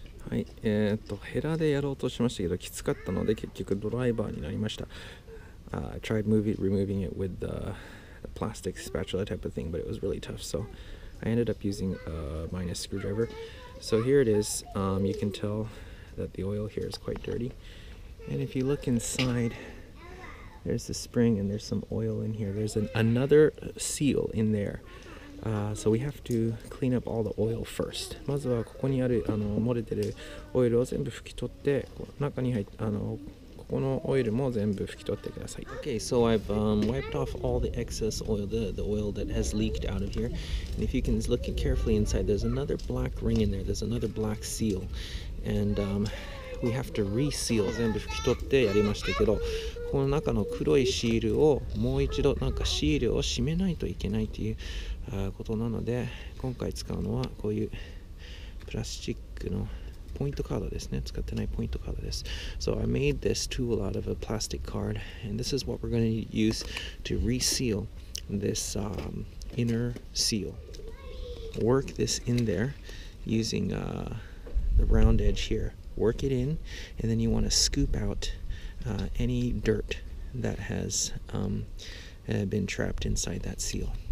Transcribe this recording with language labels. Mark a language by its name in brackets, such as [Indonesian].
[Japanese] はい、ヘラでやろうとしましたけどきつかったので結局ドライバーになりました。 [English] I tried removing it with the plastic spatula type of thing, but it was really tough. So I ended up using a minus screwdriver. So here it is. You can tell that the oil here is quite dirty. And if you look inside, there's the spring and there's some oil in here. There's another seal in there. So we have to clean up all the oil first. [Japanese] まずはここにある漏れてるオイルを全部拭き取って、中に入って、このオイルも全部拭き取ってください。 [English] Okay, so I've wiped off all the excess oil, the oil that has leaked out of here. And if you can look carefully inside, there's another black ring in there, there's another black seal. And we have to reseal. [Japanese] 全部拭き取ってやりましたけど、この中の黒いシールをもう一度なんかシールを締めないといけないという、ことなので、今回使うのはこういうプラスチックのポイントカードですね。使ってないポイントカードです。 [English] So I made this tool out of a plastic card, and this is what we're going to use to reseal this inner seal. Work this in there using the round edge here. Work it in, and then you want to scoop out any dirt that has been trapped inside that seal.